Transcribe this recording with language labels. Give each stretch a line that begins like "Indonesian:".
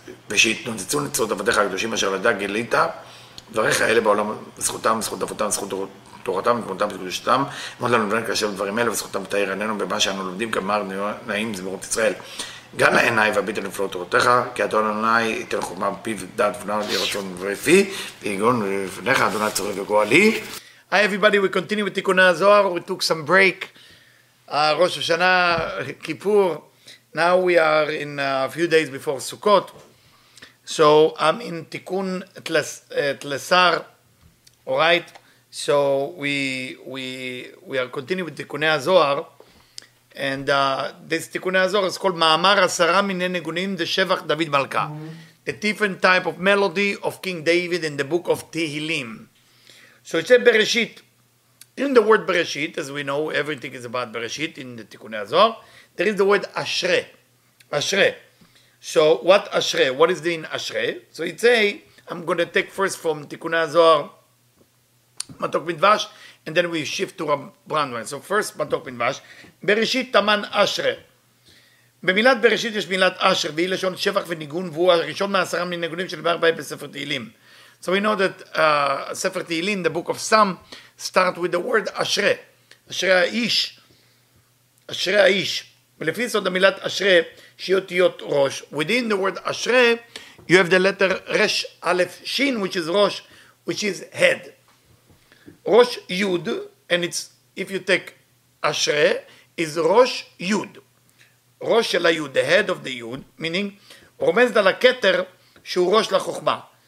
Hebrew: ושיתנוצצו נצרות עבדיך הקדושים אשר לדע גילית דבריך אלה בעולם זכותם זכות אבותם זכות תורתם ותמותם ותקדושתם אמרת לנו לבנן כאשר דברים אלה וזכותם תאיר עינינו במה שאנו לומדים כמר נעים זמירות ישראל גם העיניי והביטה לפלות תורתך כי אדון עיניי יתן חומה בפיו דעת ונעד לרצון ורפי ויגון לפניך אדוני צורי וגועלי.
English: Hi everybody, we continue with Tikkunei Zohar. We took some break. Rosh Hashanah, Kippur. Now we are in a few days before Sukkot. So I'm in Tikkun Tlesar. Alright. So we are continuing with Tikkunei Zohar. And this Tikkunei Zohar is called Ma'amar Asara Minei Negunim de Shevach David Malka. The different type of melody of King David in the book of Tehillim. So it's a Bereshit. In the word Bereshit, as we know, everything is about Bereshit in the Tikkunei Zohar. There is the word Ashre. Ashre. So what Ashre? What is the Ashre? So it's a, I'm going to take first from Tikkunei Zohar, Matok Midvash, and then we shift to a brand one. So first, Matok Midvash. Bereshit Taman Ashre.
Hebrew: במילת Bereshit יש מילת Asher, והיא לשון שבח וניגון, והוא הראשון מעשרה מן הניגונים של בר בית בספר תהילים.
English: So we know that Sefer Tehillim, the book of Psalm, starts with the word Ashre.
Hebrew: Ashre Ha'ish. Ashre Ha'ish. ולפי סוד המילת Ashre, שיותיות Rosh.
English: Within the word Ashre, you have the letter Resh Aleph Shin, which is Rosh, which is head. Rosh Yud, and it's, if you take Ashre, is Rosh Yud. Rosh Shel Ha'Yud, the head of the Yud, meaning,
Hebrew: רומז על הכתר שהוא Rosh לחוכמה.